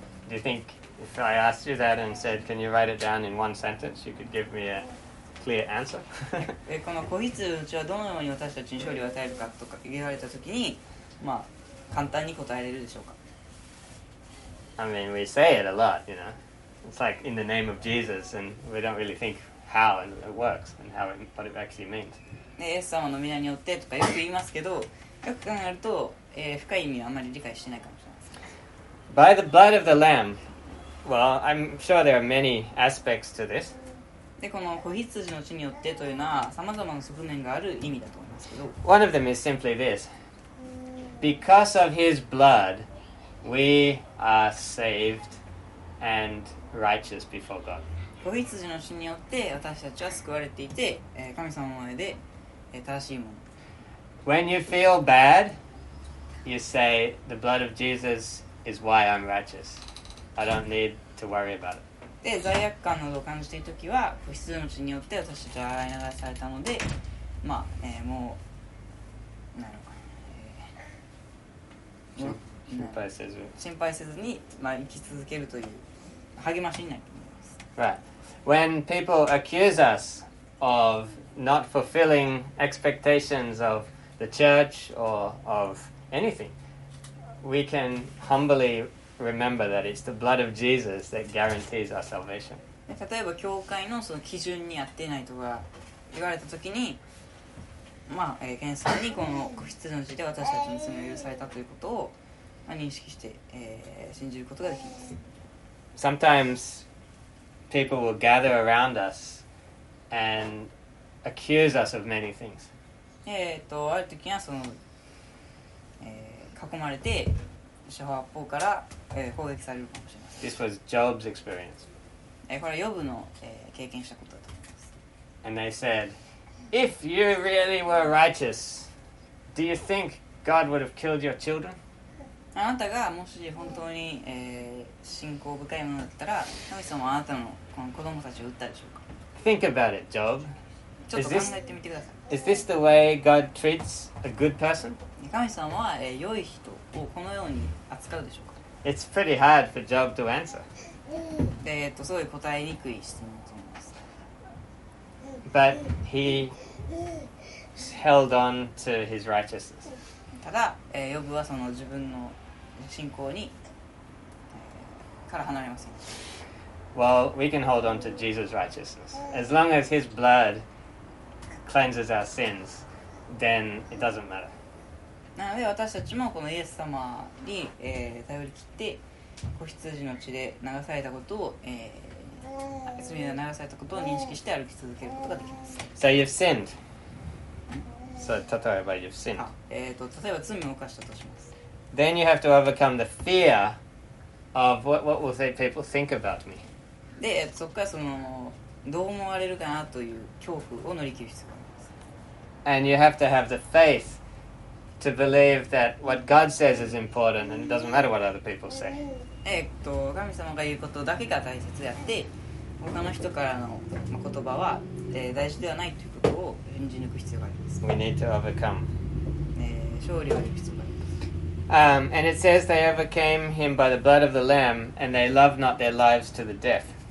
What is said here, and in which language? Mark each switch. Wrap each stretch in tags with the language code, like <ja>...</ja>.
<en>Do you think if I asked you that and said, can you write it down in one sentence, you could give me a clear answer?</en> <ja>この子羊の血はどのように私たちに勝利を与えるかとか言われたときに、まあ、簡単に答えれるでしょうか?</ja> <en>I mean, we say it a lot, you know. It's like in the name of Jesus, and we don't really think how it works and how it, what it actually means.</en> <ja>イエス様の名によってとかよく言いますけど、よく考えると、深い意味はあまり理解してないかもしれません。</ja> <en>By the blood of the Lamb, well, I'm sure there are many aspects to this.</en> <ja>で、この子羊の血によってというのは、さまざまな側面がある意味だと思いますけど。</ja> <en>One of them is simply this. Because of his blood, we are saved and righteous before God.</en> <ja>子羊の血によって私たちは救われていて、神様の前で正しいもの。</ja> <en>When you feel bad, you say, the blood of Jesus is why I'm righteous. I don't need to worry about it.</en> <ja>で、罪悪感などを感じているときは、子羊の血によって私たちは洗い流されたので、まあ、もう、なるほど。心配せずに、まあ、生き続けるという励ましになると思います。</ja> <en>Right. When people accuse us of not fulfilling expectations of the church or of anything, we can humbly remember that it's the blood of Jesus that guarantees our salvation.</en> <ja>例えば教会のその基準に合っていないとか言われたときに、まあ、謙遜にこの子羊の血で私たちの罪を許されたということを認識して、信じることができます。</ja> <en>Sometimes people will gather around us and accuse us of many things.</en> <ja>ある時はその、囲まれて、四方八方から、攻撃されるかもしれません。</ja> <en>This was Job's experience.</en> <ja>これはヨブの、経験したことだと思います。</ja> <en>And they said, if you really were righteous, do you think God would have killed your children?</en> <ja>あなたがもし本当に、信仰深いものだったら、神様はあなた の, この子供たちを撃ったでしょうか</ja> <en>?Think about it, Job.</en> <ja>ちょっと考えてみてください。</ja> <en>Is this the way God treats a good person?</en> <ja>神様は、良い人をこのように扱うでしょうか</ja> <en>?It's pretty hard for Job to answer.</en> <ja>すごい答えにくい質問だと思います。</ja> <en>But he held on to his righteousness.</en> <ja>ただ、ヨブはその自分の信仰に、から離れません。</ja> <en>Well, we can hold on to Jesus' righteousness. As long as his blood cleanses our sins, then it doesn't matter.</en> <ja>なので私たちもこのイエス様に、頼り切って、子羊の血で流されたことを、罪で流されたことを認識して歩き続けることができます。</ja> <en>So you've sinned. So,</en> <ja>例えば</ja> <en>you've sinned.</en> <ja>例えば罪を犯したとします。</ja> <en>Then you have to overcome the fear of what will say people think about me.</en> <ja>で、そこからその、どう思われるかなという恐怖を乗り切る必要があります。</ja> <en>And you have to have the faith to believe that what God says is important and it doesn't matter what other people say.</en> <ja>神様が言うことだけが大切であって、他の人からの言葉は、大事ではないということを信じ抜く必要があります。</ja> <en>We need to overcome.</en> <ja>勝利を得る必要があります。</ja> <en>And it says they overcame him by the blood of the lamb, and they loved not their lives to the death.</en>